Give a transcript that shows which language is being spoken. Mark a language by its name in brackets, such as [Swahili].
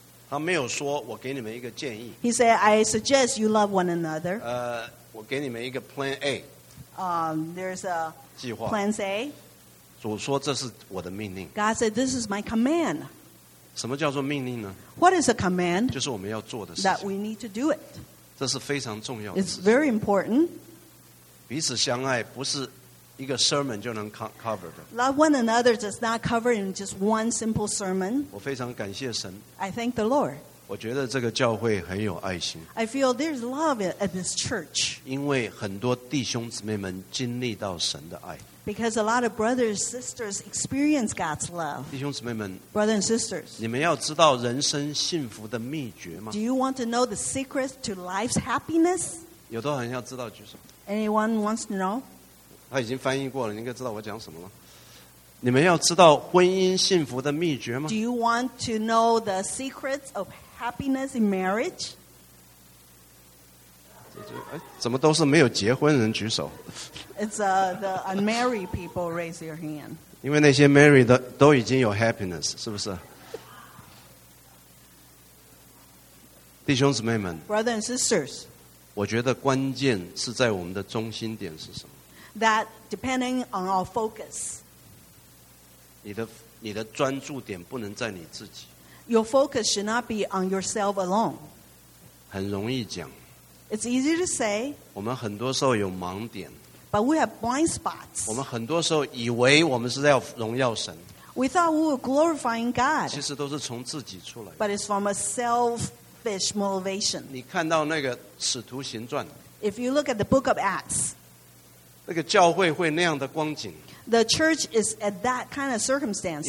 [Chinese] 他没有说我给你们一个建议。 [English] He said, I suggest you love one another. [Chinese] 我给你们一个 plan A. [English] There's a [Chinese] 计划。 [English] Plan A. [Chinese] 主说这是我的命令。 [English] God said, this is my command. [Chinese] 什么叫做命令呢? [English] What is a command? [Chinese] 就是我们要做的事情。 [English] That we need to do it. [Chinese] 这是非常重要的事情。 [English] It's very important. [Chinese] 彼此相爱不是一个 sermon 就能cover的。 [English] Love one another does not cover in just one simple sermon. [Chinese] 我非常感谢神。 [English] I thank the Lord. [Chinese] 我觉得这个教会很有爱心。 [English] I feel there's love at this church. [Chinese] 因为很多弟兄姊妹们经历到神的爱。 [English] Because a lot of brothers and sisters experience God's love. [Chinese] 弟兄姊妹们, [English] brothers and sisters, [Chinese] 你们要知道人生幸福的秘诀吗? [English] Do you want to know the secret to life's happiness? [Chinese] 有多少人要知道, [English] anyone wants to know? [Chinese] 他已经翻译过了, 你应该知道我讲什么了。你们要知道婚姻幸福的秘诀吗? [English] Do you want to know the secrets of happiness in marriage? [Chinese] 怎么都是没有结婚人举手? [English] It's the unmarried people raise your hand. [Chinese] 因为那些married都已经有happiness, 是不是? 弟兄姊妹们, [English] brothers and sisters, [Chinese] 我觉得关键是在我们的中心点是什么? [English] That depending on our focus. [Chinese] 你的专注点不能在你自己。 [English] Your focus should not be on yourself alone. [Chinese] 很容易讲。 [English] It's easy to say. [Chinese] 我们很多时候有盲点。 [English] But we have blind spots. [Chinese] 我们很多时候以为我们是要荣耀神。 [English] We thought we were glorifying God. [Chinese] 其实都是从自己出来。 [English] But it's from a selfish motivation. [Chinese] 你看到那个使徒行传。 [English] If you look at the book of Acts. [Chinese] 那个教会会那样的光景。 [English] the church is at that kind of circumstances.